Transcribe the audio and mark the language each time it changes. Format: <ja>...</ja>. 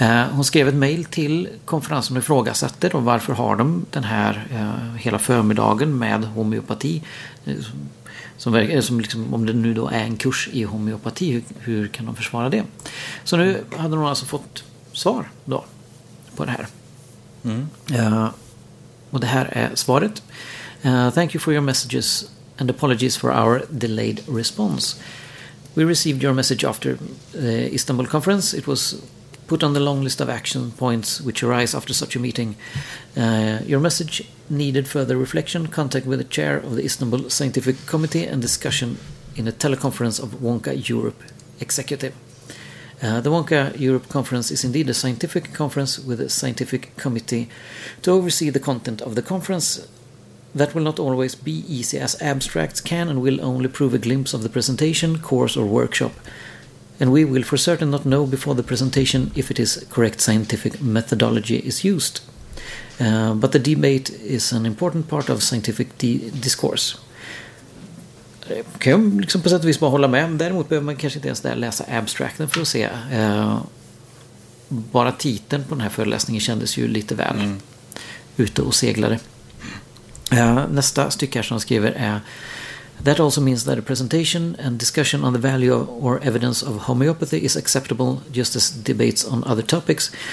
<sv>Hon skrev ett mejl till konferensen och ifrågasätter då, varför har de den här hela förmiddagen med homeopati som liksom, om det nu då är en kurs i homeopati, hur kan de försvara det? Så nu hade hon alltså fått svar då på det här. Och det här är svaret.</sv> <en>Thank you for your messages and apologies for our delayed response. We received your message after the Istanbul conference. It was put on the long list of action points which arise after such a meeting. Your message needed further reflection, contact with the chair of the Istanbul Scientific Committee and discussion in a teleconference of Wonka Europe Executive. The Wonka Europe Conference is indeed a scientific conference with a scientific committee to oversee the content of the conference. That will not always be easy, as abstracts can and will only prove a glimpse of the presentation, course or workshop. And we will for certain not know before the presentation if it is correct scientific methodology is used. But the debate is an important part of scientific discourse.</en> <sv>Kan jag liksom på sätt och vis bara hålla med. Däremot behöver man kanske inte ens där läsa abstracten för att se. Bara titeln på den här föreläsningen kändes ju lite väl ute och seglade. Nästa stycke som skriver är:</sv> <en>That also means that a presentation and discussion on the value of or evidence of homeopathy is acceptable, just as debates on other topics.</en>